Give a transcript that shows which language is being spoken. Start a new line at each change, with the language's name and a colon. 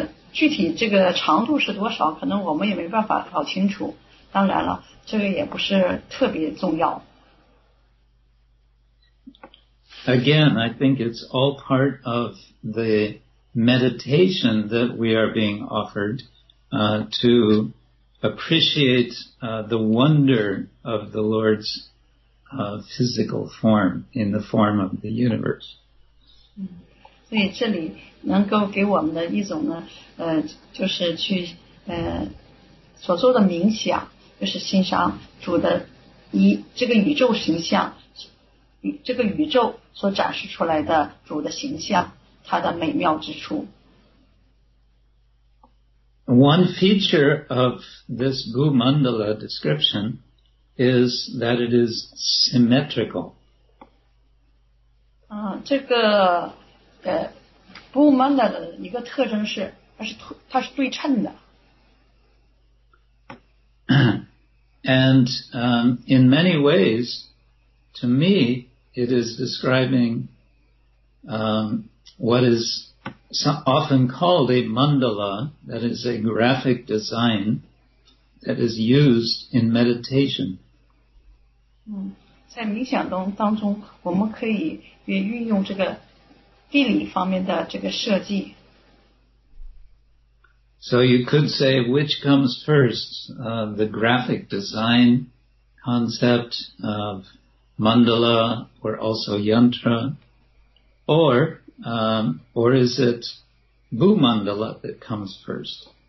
Chinese: 具体这个长度是多少，可能我们也没办法搞清楚。当然了，这个也不是特别重要。
English: Again, I think it's all part of the meditation that we are being offered, to appreciate, the wonder of the Lord's, physical form in the form of the universe.
Chinese: 所以这里能够给我们的一种呢，就是去，所做的冥想，就是欣赏主的一这个宇宙形象。这个宇宙所展示出来的主的形象，它的美妙之处。
English: One feature of this Bhumandala description is that it is symmetrical.
Chinese: 这个Bhumandala 的一个特征是，它是对称的。
English: And in many ways, to me,It is describing what is often called a mandala, that is a graphic design that is used in meditation.
Chinese: 在冥想当中，我们可以也运用这个地理方面的这个设计。
English: So you could say, which comes first, the graphic design concept of. Mandala, or also yantra, or is it Bhumandala that comes first?